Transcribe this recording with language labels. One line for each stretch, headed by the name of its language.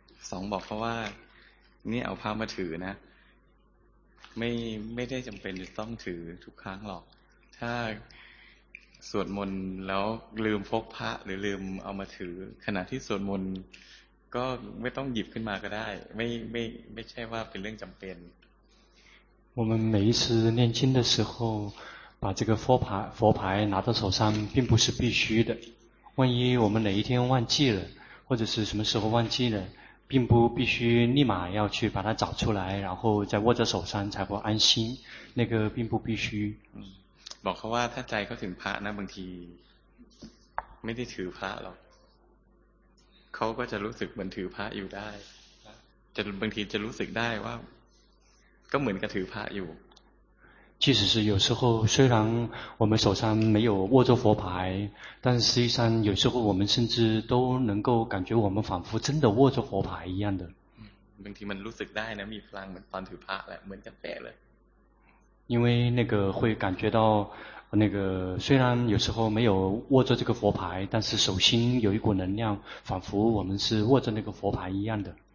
Thai: สองบอกเพราะว่านี่เอาพามาถือนะไม่ได้จำเป็นจะต้องถือทุกครั้งหรอกถ้าสวดมนต์แล้วลืมพกพระหรือลืมเอามาถือขณะที่สวดมนต์ก็ไม่ต้องหยิบขึ้นมาก็ได้ไม่ใช่ว่าเป็นเรื่องจำเป็น
Chinese: 我们每一次念经的时候把这个佛牌拿到手上并不是必须的，万一我们哪一天忘记了或者是什么时候忘记了，并不必须立马要去把它找出来然后再握着手上才会安心，那个并不必须。
Thai: บอกเขาว่าถ้าใจเขาถึงพระนะบางทีไม่ได้ถือพระหรอกเขาก็จะรู้สึกเหมือนถือพระอยู่ได้จะบางทีจะรู้สึกได้ว่าก็เหมือนกับถือพระอยู่
Chinese: 即使是有时候虽然我们手上没有握着佛牌但实际上有时候我们甚至都能够感觉我们仿佛真的握着佛牌一样的
Thai: บางทีมันรู้สึกได้นะมีพลังเหมือนตอนถือพระแหละเหมือนกับแปะเลย
Chinese: 因为那个会感觉到那个虽然有时候没有握着这个佛牌但是手心有一股能量仿佛我们是握着那个佛牌一样的